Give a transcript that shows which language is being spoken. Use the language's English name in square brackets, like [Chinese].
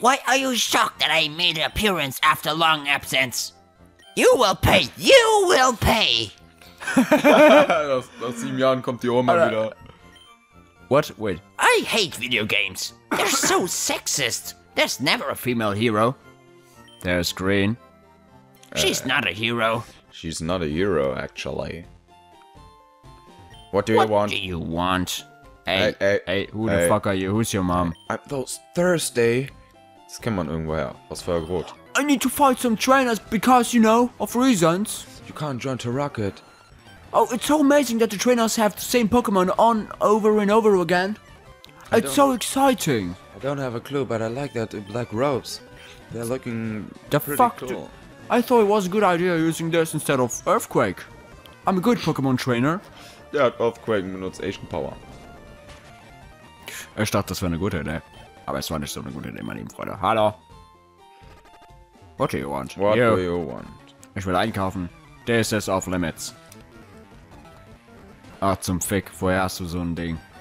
[English] Why are you shocked that I made an appearance after long absence? You will pay. You will pay. [German] Nach 7 Jahren kommt die Oma wieder. [English] What? Wait. I hate video games. They're so sexist. There's never a female hero. There's Green. She's not a hero. She's not a hero, actually. What do you want? What do you want? Hey, fuck are you? Who's your mom? I'm those Thursday. [German] Das kennt man irgendwoher. Aus Feuer Rot. [English] I need to fight some trainers because, you know, of reasons. You can't join to Rocket. Oh, it's so amazing that the trainers have the same Pokemon on over and over again. It's so exciting. I don't have a clue, but I like that black robes. They're looking the pretty fuck cool. I thought it was a good idea using this instead of Earthquake. I'm a good Pokemon trainer. [German] Ja, Earthquake benutzt Asian Power. Ich dachte, das wäre eine gute Idee. Aber es war nicht so eine gute Idee, meine lieben Freunde. Hallo. [English] What do you want? [German] Ich will einkaufen. [English] This is off limits. [German] Ah, zum Fick. Vorher hast du so ein Ding.